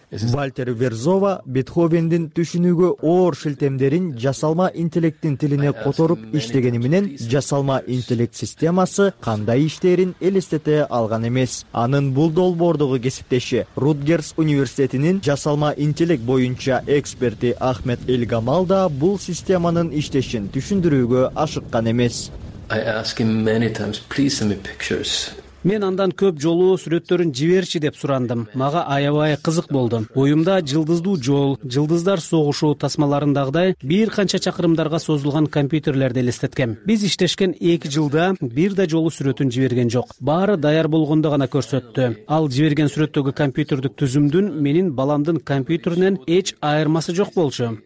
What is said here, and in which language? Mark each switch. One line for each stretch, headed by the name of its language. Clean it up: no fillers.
Kyrgyz: Вальтер Верзова Бетховендин түшүнүгү оор шилтемдерин жасалма интеллекттин тилине которуп иштегени менен жасалма интеллект системасы кандай иштерин элестете алган эмес. Анын бул долбоордогу кесиптеши Рутгерс университетинин жасалма интеллект боюнча эксперти Ахмет Элгамал да бул системанын иштешин түшүндүрүүгө ашыккан эмес.
English: I ask him many times, please send me pictures.
Kyrgyz: Мен андан көп жолу сүрөттөрүн жиберчи деп сурандым. Мага аябай кызык болду. Оюмда жылдыздуу жол, жылдыздар согушу тасмаларындагыдай бир канча чакырымдарга созулган компьютерлерди элестеткем. Биз иштешкен 2 жылда бир да жолу сүрөтүн жиберген жок. Баары даяр болгондо гана көрсөттү. Ал жиберген сүрөттөгү компьютердик түзүмдүн менин баламдын компьютеринен эч айырмасы жок болчу.